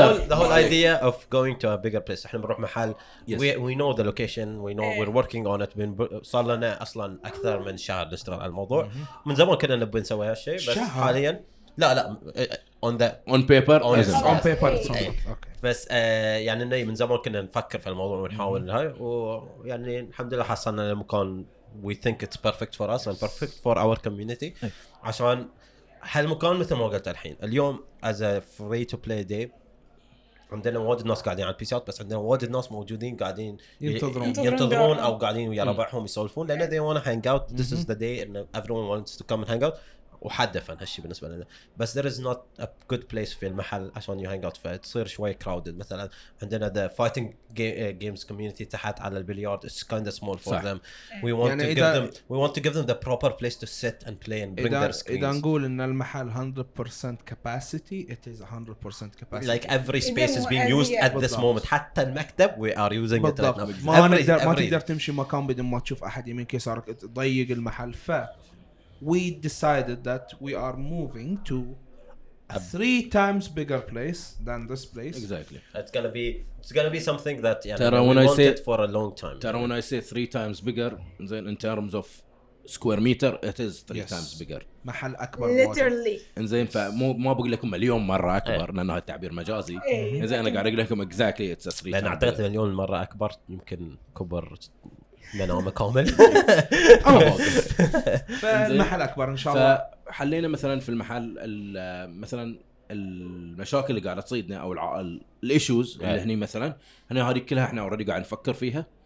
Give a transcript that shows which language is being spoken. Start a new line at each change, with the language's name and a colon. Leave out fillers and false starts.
English: The whole idea of going to a bigger place.
Arabic: إحنا بنروح محل.
English: We know the location. We know we're working on it.
Arabic: صار لنا أصلاً أكثر من شهر نشتغل على الموضوع. من زمان كنا نبي نسوي هالشيء. بس حالياً لا لا
English: on the on paper. On paper. Okay.
Arabic: بس يعني إنه من زمان كنا نفكر في الموضوع ونحاول هاي ويعني الحمد لله حصلنا المكان
English: we think it's perfect for us and perfect for our community
Arabic: عشان هالمكان مثل ما قلت الحين اليوم
English: as a free to play day
Arabic: عندنا واجد ناس قاعدين على PC out بس عندنا واجد ناس موجودين قاعدين ينتظرون أو قاعدين ويا ربعهم يسولفون لأن
English: they wanna hang out this is the day and everyone wants to come and hang out
Arabic: وحده فن هالشيء بالنسبه لنا، بس
English: there is not a good place
Arabic: في المحل عشان
English: you hang out
Arabic: فيه، تصير شوي crowded. مثلا عندنا
English: the fighting games community
Arabic: تحت على البليارد
English: it's kind of small for them. We want to give them the proper place to sit and play and bring their screens.
Arabic: إذا نقول إن المحل 100% capacity
English: it is 100% capacity. Like every space is being used at this moment.
Arabic: حتى المكتب
English: we are using it right now.
Arabic: ما تقدر تمشي مكان بدون ما تشوف أحد يمين كيسارك تضيق المحل.
English: ف we decided that we are moving to a 3 times bigger place than this place. Exactly. It's gonna be something that we wanted for a long time. Tara, when I say 3 times bigger, then in terms of square meter, it is 3 times bigger.
Arabic: محل أكبر.
English: Literally.
Arabic: إنزين فمو ما بقول لكم مليون مرة أكبر لأن هذا تعبير مجازي. إنزين أنا قاعد أقول لكم
English: exactly it's a 3 times.
Arabic: لأن أعتقد مليون مرة أكبر يمكن كبر. منامة كامل. فالمحل أكبر إن شاء الله. فحلينا مثلاً في المحل مثلاً المشاكل اللي قاعدة تصيدنا أو الإيشوز اللي هني مثلاً هنا هذه كلها إحنا أوردي قاعد نفكر فيها.